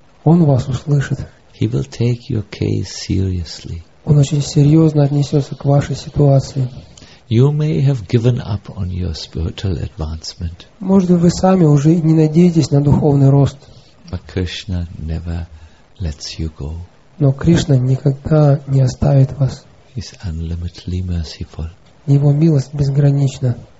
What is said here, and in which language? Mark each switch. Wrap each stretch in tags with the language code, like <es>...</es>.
<ru>Он вас услышит.</ru> <en>He will take your case seriously.</en> <ru>Он очень серьезно отнесется к вашей ситуации.</ru> <en>You may have given up on your spiritual advancement.</en> <ru>Может быть, вы сами уже не надеетесь на духовный рост.</ru> <en>But Krishna never lets you go.</en> <ru>Но Кришна никогда не оставит вас.</ru> <en>He's unlimitedly merciful.</en> <ru>Его милость безгранична.</ru>